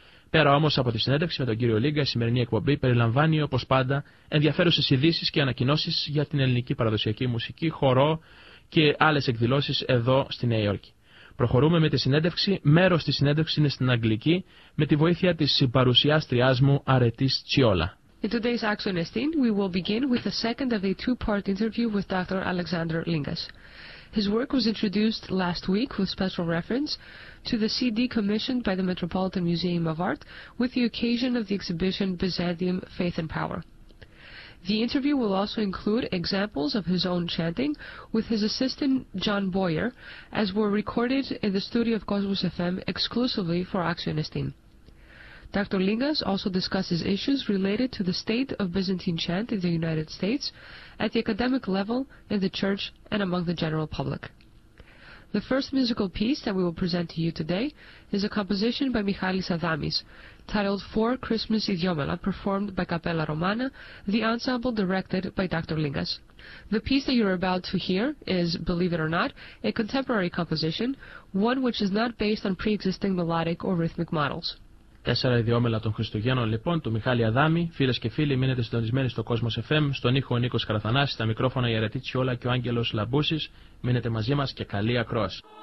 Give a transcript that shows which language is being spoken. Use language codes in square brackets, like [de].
[el] Πέρα όμως από τη συνέντευξη με τον κύριο Λίγκα, η σημερινή εκπομπή περιλαμβάνει όπως πάντα ενδιαφέρουσες ειδήσεις και ανακοινώσεις για την ελληνική παραδοσιακή μουσική, χορό και άλλες εκδηλώσεις εδώ στη Νέα Υόρκη. Προχωρούμε με τη συνέντευξη. Μέρος της συνέντευξης είναι στην Αγγλική με τη βοήθεια της συμπαρουσιάστριάς μου Αρετής Τσιόλα. [en] In today's Axon Estin, we will begin with the second of a two-part interview with Dr. Alexander Lingas. His work was introduced last week with special reference to the CD commissioned by the Metropolitan Museum of Art with the occasion of the exhibition Byzantium Faith and Power. The interview will also include examples of his own chanting with his assistant John Boyer, as were recorded in the studio of Cosmos FM exclusively for Axon Estin. Dr. Lingas also discusses issues related to the state of Byzantine chant in the United States, at the academic level, in the church, and among the general public. The first musical piece that we will present to you today is a composition by Michalis Adamis, titled Four Christmas Idiomela, performed by Capella Romana, the ensemble directed by Dr. Lingas. The piece that you are about to hear is, believe it or not, a contemporary composition, one which is not based on pre-existing melodic or rhythmic models. [el] Τέσσερα ιδιόμελα των Χριστουγέννων, λοιπόν, του Μιχάλη Αδάμη. Φίλες και φίλοι, μείνετε συντονισμένοι στο Cosmos FM, στον ήχο ο Νίκος Καραθανάσης, στα μικρόφωνα η Αρετή Τσιόλα και ο Άγγελος Λαμπούσης. Μείνετε μαζί μας και καλή ακρόαση.